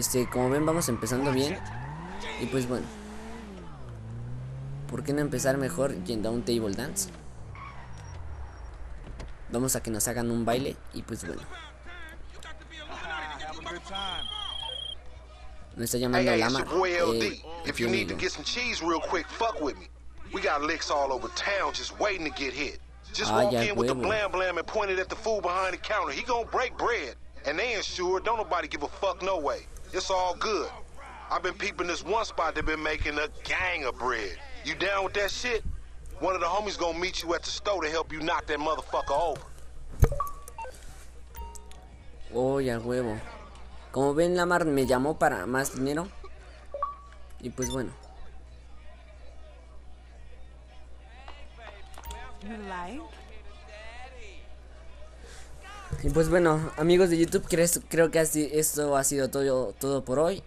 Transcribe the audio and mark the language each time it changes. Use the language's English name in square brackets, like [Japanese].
[Spanish] Como ven, vamos empezando bien. Y pues bueno. ¿Por qué no empezar mejor yendo a un table dance? Vamos a que nos hagan un baile. Y pues bueno. Me está llamando la Lama. [English] If you need to get some cheese real quick, fuck with me. We got licks all over town just waiting to get hit. Just walk in with the blam blam and point it at the fool behind the counter. He gonna break bread. And they ensure don't nobody give a fuck no way. It's all good. I've been peeping this one spot that been making a gang of bread. You down with that shit? One of the homies gonna meet you at the store to help you knock that motherfucker over. [Spanish] Oh, ya huevo. Como ven, Lamar me llamó para más dinero. Y pues bueno. Y pues bueno, amigos de YouTube, creo que esto ha sido todo por hoy.